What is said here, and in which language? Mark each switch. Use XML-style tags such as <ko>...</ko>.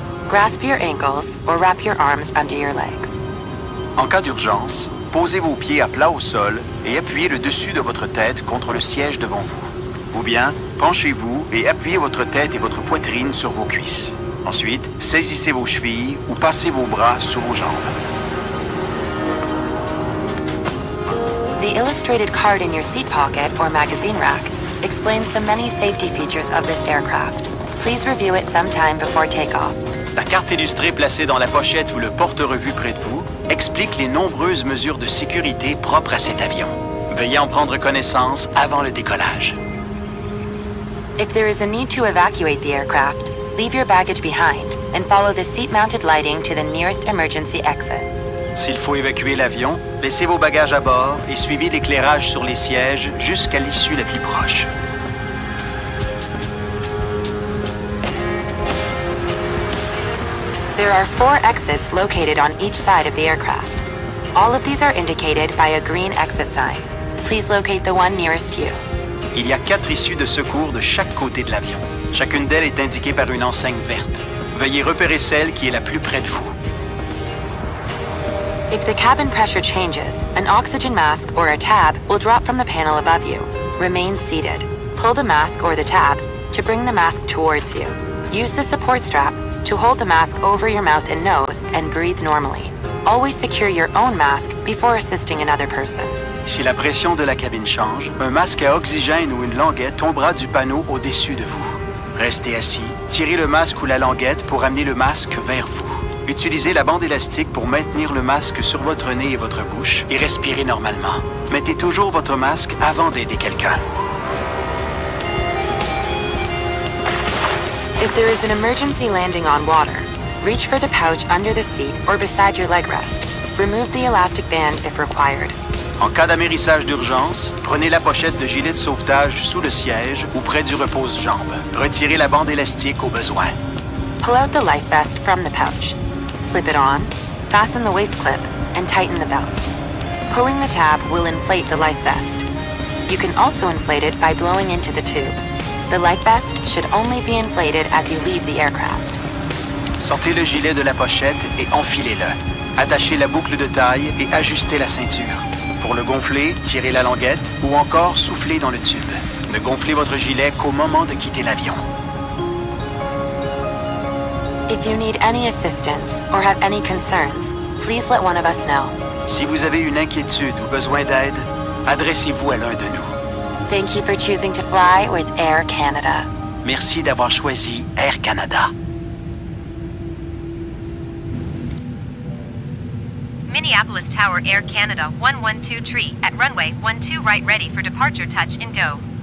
<en>Grasp your ankles or wrap your arms under your legs.</en> <fr>En cas d'urgence, posez vos pieds à plat au sol et appuyez le dessus de votre tête contre le siège devant vous. Ou bien, penchez-vous et appuyez votre tête et votre poitrine sur vos cuisses. Ensuite, saisissez vos chevilles ou passez vos bras sous vos jambes.</fr> <en>The illustrated card in your seat pocket or magazine rack explains the many safety features of this aircraft. Please review it sometime before takeoff.</en> <fr>La carte illustrée placée dans la pochette ou le porte-revue près de vous explique les nombreuses mesures de sécurité propres à cet avion. Veuillez en prendre connaissance avant le décollage.</fr> <en>If there is a need to evacuate the aircraft, leave your baggage behind and follow the seat-mounted lighting to the nearest emergency exit.</en> <fr>S'il faut évacuer l'avion, laissez vos bagages à bord et suivez l'éclairage sur les sièges jusqu'à l'issue la plus proche.</fr> <en>There are four exits located on each side of the aircraft. All of these are indicated by a green exit sign. Please locate the one nearest you.</en> <fr>Il y a quatre issues de secours de chaque côté de l'avion. Chacune d'elles est indiquée par une enseigne verte. Veuillez repérer celle qui est la plus près de vous.</fr> <en>If the cabin pressure changes, an oxygen mask or a tab will drop from the panel above you. Remain seated. Pull the mask or the tab to bring the mask towards you. Use the support strap to hold the mask over your mouth and nose and breathe normally. Always secure your own mask before assisting another person.</en> <fr>Si la pression de la cabine change, un masque à oxygène ou une languette tombera du panneau au-dessus de vous. Restez assis, tirez le masque ou la languette pour amener le masque vers vous. Utilisez la bande élastique pour maintenir le masque sur votre nez et votre bouche et respirez normalement. Mettez toujours votre masque avant d'aider quelqu'un.</fr> <en>If there is an emergency landing on water, reach for the pouch under the seat or beside your leg rest. Remove the elastic band if required.</en> <fr>En cas d'amerrissage d'urgence, prenez la pochette de gilet de sauvetage sous le siège ou près du repose-jambe. Retirez la bande élastique au besoin.</fr> <en>Pull out the life vest from the pouch. Slip it on, fasten the waist clip, and tighten the belt. Pulling the tab will inflate the life vest. You can also inflate it by blowing into the tube. The life vest should only be inflated as you leave the aircraft.</en> <fr>Sortez le gilet de la pochette et enfilez-le. Attachez la boucle de taille et ajustez la ceinture. Pour le gonfler, tirez la languette ou encore soufflez dans le tube. Ne gonflez votre gilet qu'au moment de quitter l'avion.</fr> <en>If you need any assistance or have any concerns, please let one of us know.</en> <fr>Si vous avez une inquiétude ou besoin d'aide, adressez-vous à l'un de nous.</fr> <en>Thank you for choosing to fly with Air Canada.</en> <fr>Merci d'avoir choisi Air Canada.</fr> <en>Minneapolis Tower Air Canada 1123 at runway 12 right ready for departure touch and go.</en>